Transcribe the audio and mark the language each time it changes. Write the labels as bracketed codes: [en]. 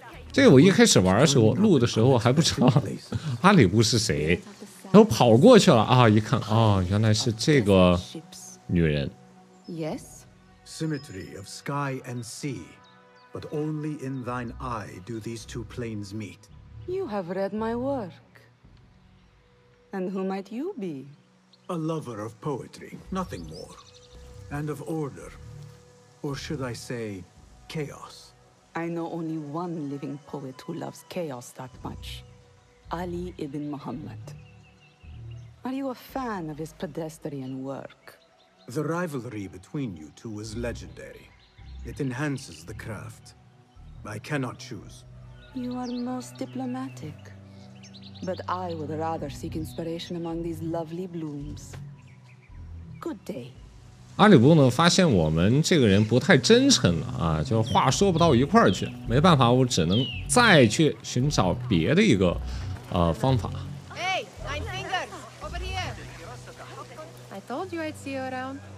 [zh] 这个我一开始玩的时候，录的时候还不知道阿里布是谁，然后跑过去了啊，一看啊、哦，原来是这个女人。 [en] Yes, symmetry of sky and sea, but only in thine eye do these two planes meet. You have read my work, and who might you be? A lover of poetry, nothing more. And of order. Or should I say, chaos. I know only one living poet who loves chaos that much. Ali ibn Muhammad. Are you a fan of his pedestrian work? The rivalry between you two is legendary. It enhances the craft. I cannot choose. You are most diplomatic. But I would rather seek inspiration among these lovely blooms. Good day. [zh] 阿里布呢发现我们这个人不太真诚了啊，就话说不到一块儿去，没办法，我只能再去寻找别的一个方法。 [en] Hey, my finger, over here. I told you I'd see you around.